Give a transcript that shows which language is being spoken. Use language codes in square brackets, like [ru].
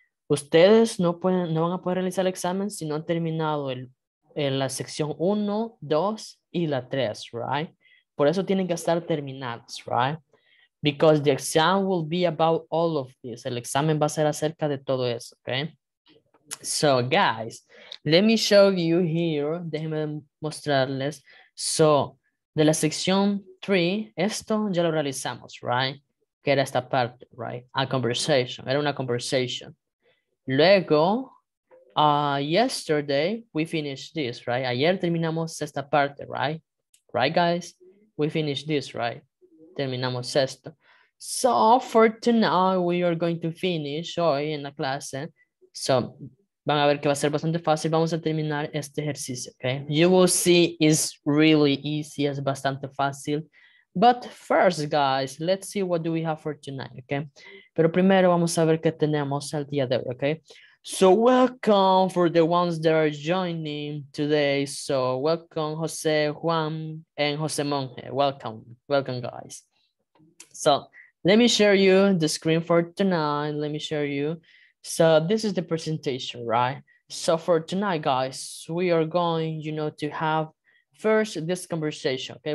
[es] Ustedes no pueden, no van a poder realizar el examen si no han terminado en la sección 1, 2 y la 3, right? Por eso tienen que estar terminados, right? [en] Because the exam will be about all of this. [es] El examen va a ser acerca de todo eso, okay? [en] So, guys, let me show you here. [es] Déjenme mostrarles. So, de la sección 3, esto ya lo realizamos, right? Que era esta parte, right? A conversation. Era una conversation. [en] Luego, yesterday, we finished this, right? [es] Ayer terminamos esta parte, right? [en] Right, guys? We finished this, right? [es] Terminamos esto. [en] So, for tonight, we are going to finish [es] hoy en la clase. So, van a ver que va a ser bastante fácil. Vamos a terminar este ejercicio, okay? [en] You will see it's really easy. [es] Es bastante fácil. [en] But first, guys, let's see what do we have for tonight, okay? [es] Pero primero vamos a ver qué tenemos el día de hoy, okay? [en] So welcome for the ones that are joining today. So welcome, Jose, Juan, and Jose Monge. Welcome. Welcome, guys. So let me share you the screen for tonight. Let me share you. So this is the presentation, right? So for tonight, guys, we are going, you know, to have first this conversation, okay?